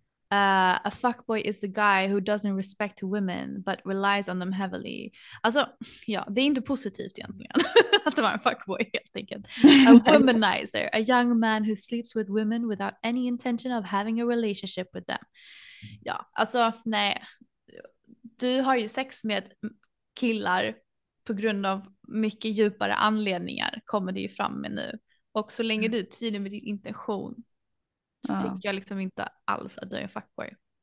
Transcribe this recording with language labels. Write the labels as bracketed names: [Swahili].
[English] A fuckboy is the guy who doesn't respect women but relies on them heavily. [Swedish] Alltså, ja, det är inte positivt egentligen att det var en fuckboy, helt enkelt. [English] A womanizer, a young man who sleeps with women without any intention of having a relationship with them. [Swedish] Ja, alltså, nej. Du har ju sex med killar på grund av mycket djupare anledningar, kommer det ju fram med nu. Och så länge du är tydlig med din intention, så tycker jag liksom inte alls att du är en fuckboy.